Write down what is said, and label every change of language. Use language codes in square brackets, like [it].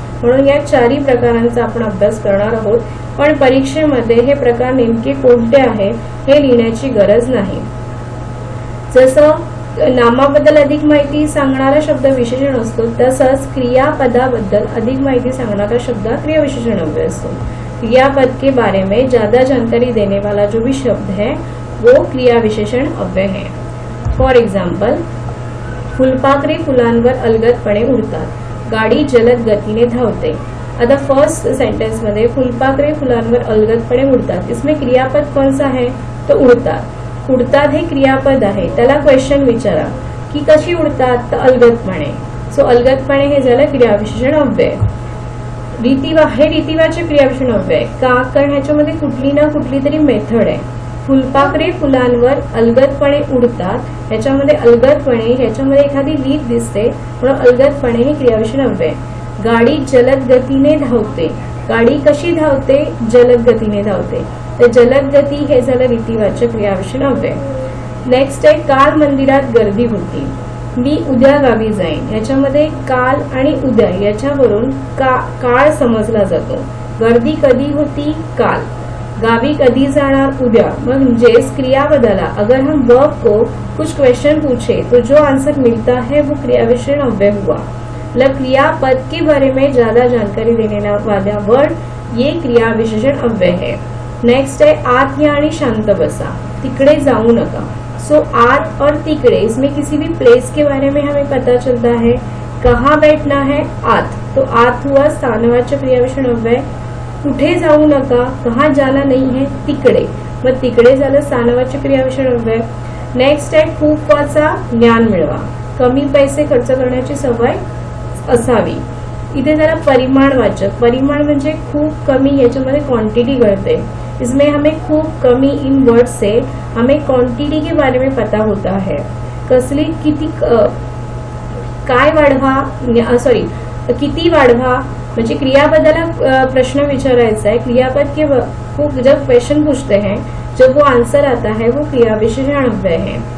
[mr] म्हणून या चारही प्रकारांचा आपण अभ्यास करणार आहोत, पण परीक्षेमध्ये हे प्रकार नेमके कोणते आहे हे लिहिण्याची गरज नाही. जसं नामाबद्दल अधिक माहिती सांगणारा शब्द विशेषण असतो, तसंच क्रियापदाबद्दल अधिक माहिती सांगणारा शब्द क्रियाविशेषण अव्यय असतो. [hi] क्रियापद के बारे में ज्यादा जानकारी देने वाला जो भी शब्द है वो क्रियाविशेषण अव्यय है. [mr] फॉर एक्झाम्पल, फुलपाखरे फुलांवर अलगदपणे उडतात, गाडी जलद गतीने धावते. आता फर्स्ट सेंटेंस मध्ये फुलपाखरे फुलांवर अलगदपणे उडतात, [hi] इसमें क्रियापद कौन सा है, तो [mr] उडतात. उडतात हे क्रियापद आहे, त्याला क्वेश्चन विचारा की कशी उडतात, तर अलगदपणे. सो अलगदपणे हे झालं क्रियाविशेषण अव्यय. हे रीतिवाचक क्रियाविशेषण अव्यय का, कारण ह्याच्यामध्ये कुठली ना कुठली तरी मेथड आहे. फुलपाखरे फुलांवर अलगदपणे उडतात, ह्याच्यामध्ये अलगदपणे, ह्याच्यामध्ये एखादी लीप दिसते, म्हणून अलगदपणे हे क्रियाविशेषण अव्यय. गाडी जलद गतीने धावते, गाडी कशी धावते, जलद गतीने धावते, तर जलद गती हे झालं रीतिवाचक क्रियाविशेषण अव्यय. नेक्स्ट आहे काल मंदिरात गर्दी होती, मी उद्या गावी जाईन. ह्याच्यामध्ये काल आणि उद्या याच्यावरून काळ समजला जातो. गर्दी कधी होती, काल. गावी कधी जाणार, उद्या. म्हणजे क्रियापदाला [hi] अगर हम वर्ब को कुछ क्वेश्चन पूछे तो जो आंसर मिलता है वो क्रियाविशेषण अव्यय हुआ. मतलब क्रियापद के बारे में ज्यादा जानकारी देने वाला वर्ड ये क्रियाविशेषण अव्यय है. नेक्स्ट है [mr] आत या आणि शांत बसा, तिकडे जाऊ नका. [hi] सो आत और तिकडे, इसमें किसी भी प्लेस के बारे में हमें पता चलता है, कहाँ बैठना है, आत. तो आत हुआ स्थानवाचक क्रियाविशेषण अव्यय. [mr] कुठे जाऊ नका, [hi] कहाँ जाना नहीं है, [mr] तिकडे. मग तिकडे झालं स्थानवाचक क्रियाविशेषण अव्यय. [hi] नेक्स्ट है [mr] खूप वाचा, ज्ञान मिळवा. कमी पैसे खर्च करण्याची सवय असावी. इथे झालं परिमाणवाचक. परिमाण म्हणजे खूप कमी, याच्यामध्ये क्वांटिटी घडते. [hi] इसमें हमें खूप कमी इन वर्ड से हमें क्वांटिटी के बारे में पता होता है. [mr] कसली किती, काय वाढवा, सॉरी किती वाढवा, म्हणजे क्रियापदाला प्रश्न विचारायचा आहे, [hi] क्रियापद के वो जब क्वेश्चन पूछते हैं, जब वो आंसर आता है वो क्रिया विशेषण अव्यय है।